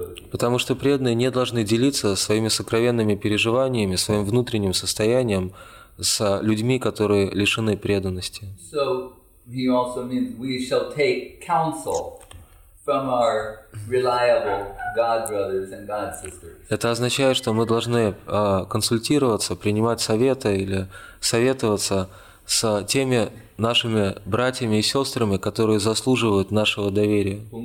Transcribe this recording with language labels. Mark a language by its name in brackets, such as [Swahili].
[Russian] Потому что преданные не должны делиться своими сокровенными переживаниями, своим внутренним состоянием с людьми, которые лишены преданности. [English] So he also means we shall take counsel from our reliable God brothers and God sisters. [Russian] Это означает, что мы должны консультироваться, принимать советы или советоваться с теми нашими братьями и сестрами, которые заслуживают нашего доверия.